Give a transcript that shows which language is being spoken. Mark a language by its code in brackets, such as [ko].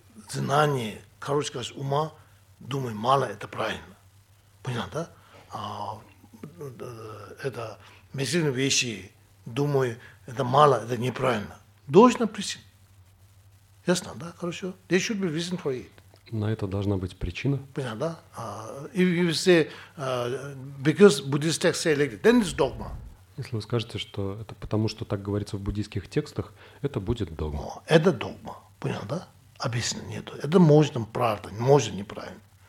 [ru] Знание, короче говоря, ума, думай мало, это правильно. Понятно, да? Это медицинские вещи, думаю, это мало, это неправильно. Должна причина. Ясно, да? Хорошо. [en] There should be reason for it. [ru] На это должна быть причина. Понятно, да? [en] If you say, because Buddhist texts say like that, then it's dogma. [ru] Если вы скажете, что это потому, что так говорится в буддийских текстах, это будет догма. О, это догма. Понятно, да? Объяснено нет. Это можно правда, можно неправильно.